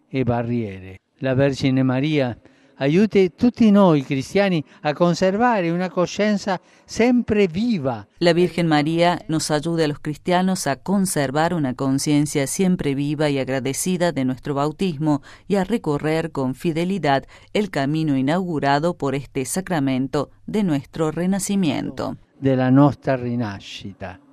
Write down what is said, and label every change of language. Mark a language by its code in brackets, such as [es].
[it] E barriere. La Vergine María aiuti tutti noi cristiani a conservare una coscienza sempre viva. [es] La Virgen María nos ayude a los cristianos a conservar una conciencia siempre viva y agradecida de nuestro bautismo y a recorrer con fidelidad el camino inaugurado por este sacramento de nuestro renacimiento. De la nuestra [it] rinascita.